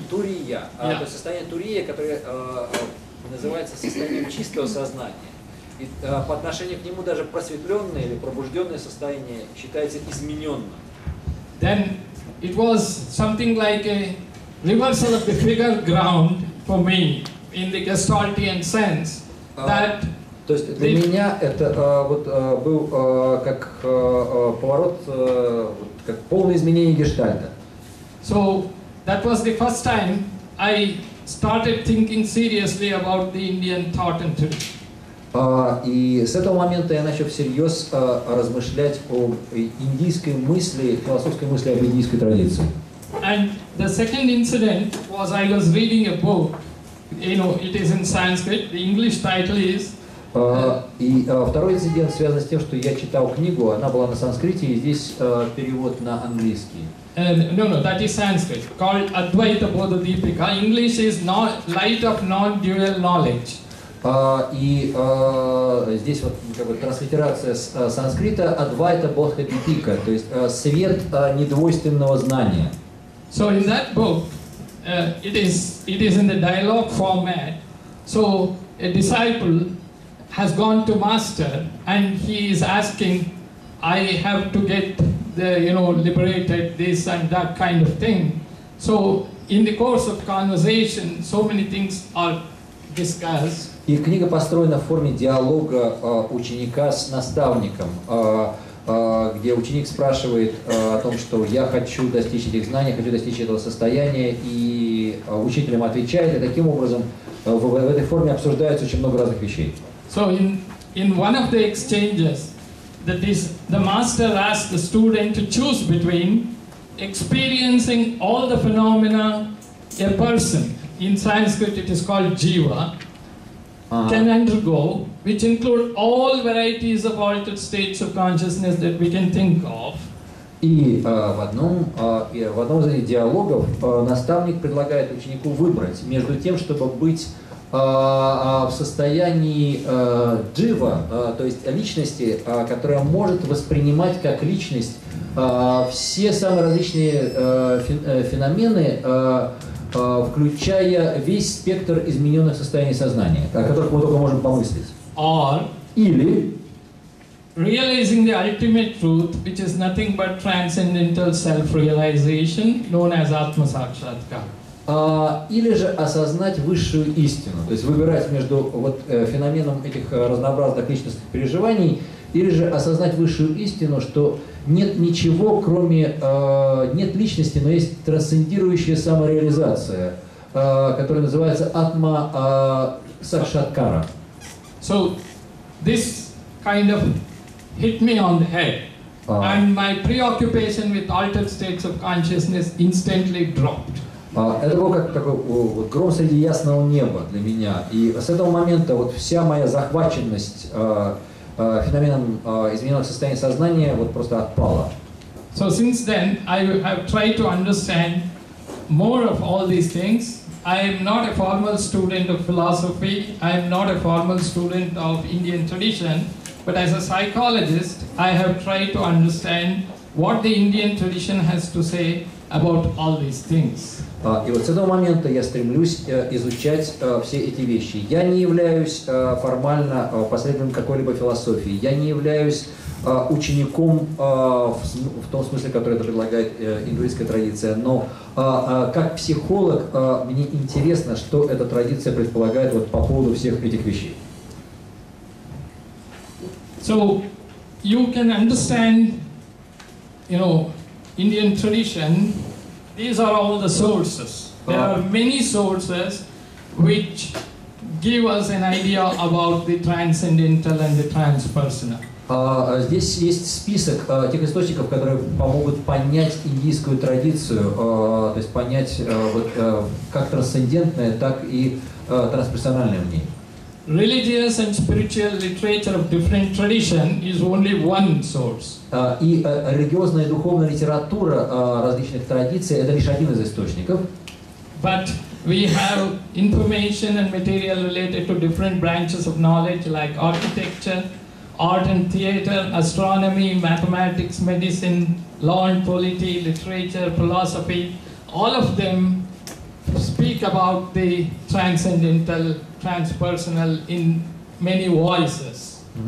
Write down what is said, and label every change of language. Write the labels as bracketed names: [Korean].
[Russian] То есть состояние Турия, которое называется состоянием чистого сознания. И по отношению к нему даже просветленное или пробужденное состояние считается измененным. [English] Then it was something like a reversal of the figure ground for me in the Gestaltian sense that. [Russian] То есть для меня это был как поворот, как полное изменение гештальта. [English] So that was the first time I started thinking seriously about the Indian thought and tradition. [Russian] И с этого момента я начал всерьез размышлять о индийской мысли, философской мысли об индийской традиции. [English] And The second incident was I was reading a book. You know, it is in Sanskrit. The English title is. [Russian] Второй инцидент связан с тем, что я читал книгу, она была на санскрите, и здесь перевод на английский. [English] No, that is Sanskrit. Called Advaita Bodha Deepika. English is not light of non-dual knowledge. [Russian] Здесь вот как бы транслитерация с санскрита Advaita Bodha Deepika, то есть свет недвойственного знания. [English] So in that book, it is in the dialogue format. So a disciple has gone to master and he is asking, I have to get the, you know, liberated this and that kind of thing. So in the course of conversation, so many things are discussed. [Russian] И книга построена в форме диалога ученика с наставником, где ученик спрашивает о том, что я хочу достичь этих знаний, хочу достичь этого состояния, и учитель ему отвечает, и таким образом в этой форме обсуждаются очень много разных вещей. [English] So in one of the exchanges, the master asked the student to choose between experiencing all the phenomena a person, in Sanskrit it is called jiva, can undergo, which include all varieties of altered states of consciousness that we can think of. [Russian] И в одном из этих диалогов наставник предлагает ученику выбрать между тем, чтобы быть в состоянии джива, то есть личности, которая может воспринимать как личность все самые различные феномены, включая весь спектр измененных состояний сознания, о которых мы только можем помыслить. [English] Or, [Russian] или [English] realizing the ultimate truth, which is nothing but transcendental self-realization, known as Atma Sakshatkar. [Russian] Или же осознать высшую истину, то есть выбирать между вот феноменом этих разнообразных личностных переживаний, или же осознать высшую истину, что нет ничего, кроме нет личности, но есть трансцендирующая самореализация, которая называется Атма Сакшаткара. [English] So this kind of hit me on the head, and my preoccupation with altered states of consciousness instantly dropped. [Russian] Это было как такой вот гром среди ясного неба для меня. И с этого момента вот вся моя захваченность феноменом измененных состояний сознания вот просто отпала. [English] So since then I have tried to understand more of all these things. I am not a formal student of philosophy, I am not a formal student of Indian tradition, but as a psychologist, I have tried to understand what the Indian tradition has to say about all these things. [Russian] И вот с этого момента я стремлюсь изучать все эти вещи. Я не являюсь формально последователем какой-либо философии. Я не являюсь учеником в том смысле, который это предлагает индуистская традиция. Но как психолог мне интересно, что эта традиция предполагает вот по поводу всех этих вещей. [English] So you can understand, you know, Indian tradition. These are all the sources. There are many sources which give us an idea about the transcendental and the transpersonal. [Russian] Здесь есть список тех источников, которые помогут понять индийскую традицию, то есть понять как трансцендентное, так и трансперсональное в ней. [English] Religious and spiritual literature of different tradition is only one source. [Russian] И религиозная и духовная литература различных традиций – это лишь один из источников. [English] But we have information and material related to different branches of knowledge like architecture, art and theater, astronomy, mathematics, medicine, law and polity, literature, philosophy. All of them speak about the transcendental, transpersonal in many voices.